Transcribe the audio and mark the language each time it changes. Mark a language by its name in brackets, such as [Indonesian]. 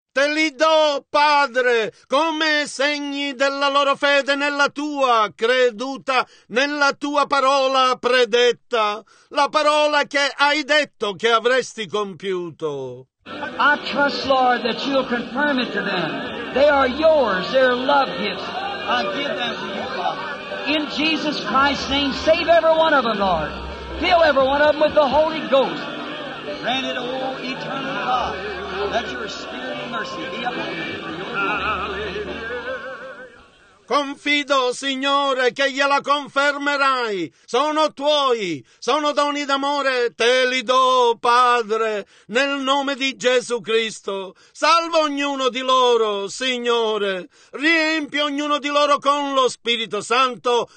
[Italian] Te li do, Padre, come segni della loro fede nella tua creduta, nella tua parola predetta, la parola che hai detto che avresti compiuto. [English] I trust, Lord, that you'll confirm it to them. They are yours, they're love gifts. I give them to you, Father. In Jesus Christ's name, save every one of them, Lord. Fill every one of them with the Holy Ghost. Grant it, O eternal God, let your spirit of mercy be upon them. [Italian] Confido, Signore, che gliela confermerai. Sono tuoi, sono doni d'amore, te li do, Padre, nel nome di Gesù Cristo. Salva ognuno di loro, Signore. Riempi ognuno di loro con lo Spirito Santo.